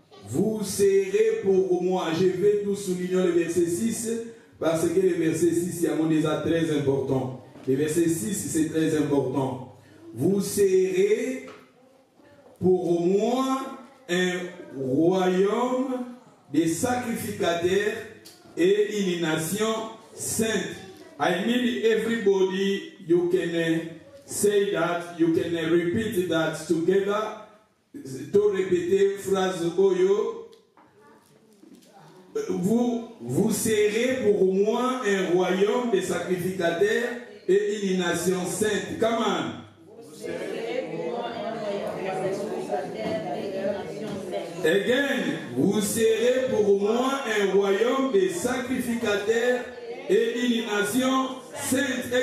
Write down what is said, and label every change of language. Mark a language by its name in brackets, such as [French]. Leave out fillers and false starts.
[French] Vous serez pour moi. Je vais tout souligner le verset 6, parce que le verset 6 est très important. Le verset 6, c'est très important. Vous serez pour moi un royaume des sacrificataires et une nation sainte. [English] I mean, everybody, you can say that, you can repeat that together. [Lingala] To répéter phrase Oyo. [French] Vous serez pour moi un royaume des sacrificataires et une nation sainte. [English] Come on. [French] Vous serez pour moi un royaume des sacrificataires et une nation sainte. Again, vous serez pour moi un royaume des sacrificataires et une nation sainte.